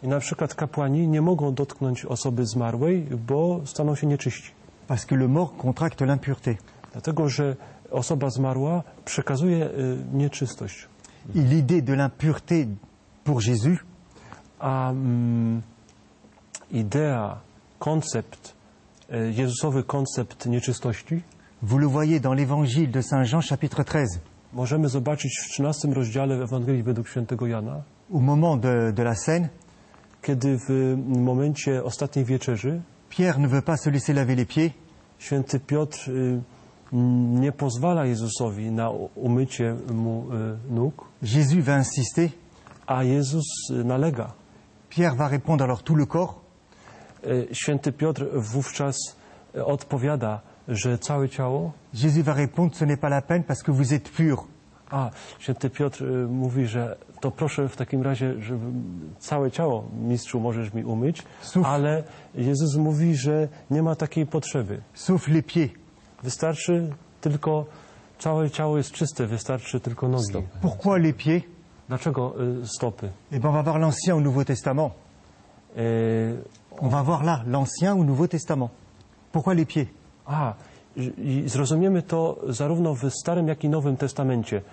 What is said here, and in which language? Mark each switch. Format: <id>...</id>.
<pl>I na przykład kapłani nie mogą dotknąć osoby zmarłej, bo staną się nieczyści.</pl> <fr>Parce que le mort contracte l'impureté.</fr> <pl>Dlatego, że osoba zmarła przekazuje nieczystość.</pl> <fr>Et l'idée de l'impureté pour Jésus.</fr> <pl>A idea. Koncept, Jezusowy koncept nieczystości.</pl> <fr>Vous le voyez dans l'évangile de Saint Jean, chapitre 13.</fr> <pl>Możemy zobaczyć w 13 rozdziale Ewangelii według świętego Jana.</pl> <fr>Au moment de la scène,</fr> <pl>kiedy w momencie ostatniej wieczerzy,</pl> <fr>Pierre ne veut pas se laisser laver les pieds.</fr> <pl>Święty Piotr nie pozwala Jezusowi na umycie mu nóg.</pl> <fr>Jésus va insister.</fr> <pl>A Jezus nalega.</pl> <fr>Pierre va répondre alors tout le corps.</fr> <pl>Święty Piotr wówczas odpowiada, że całe ciało.</pl> <fr>Jésus va répondre, ce n'est pas la peine, parce que vous êtes pur.</fr> <pl>A, Święty Piotr mówi, że to proszę w takim razie, że całe ciało, mistrzu, możesz mi umyć.</pl> <fr>Souffle.</fr> <pl>Ale Jezus mówi, że nie ma takiej potrzeby.</pl> <fr>Souffle les pieds.</fr> <pl>Wystarczy tylko, całe ciało jest czyste, wystarczy tylko nogi.</pl> <fr>Stop. Pourquoi les pieds?</fr> <pl>Dlaczego stopy?</pl> <fr>Et bien, on va voir l'Ancien au Nouveau Testament. On va voir là l'Ancien ou Nouveau Testament. Pourquoi les pieds?</fr> <pl>Ah, zrozumiemy to zarówno w Starym, jak i Nowym Testamencie.</pl>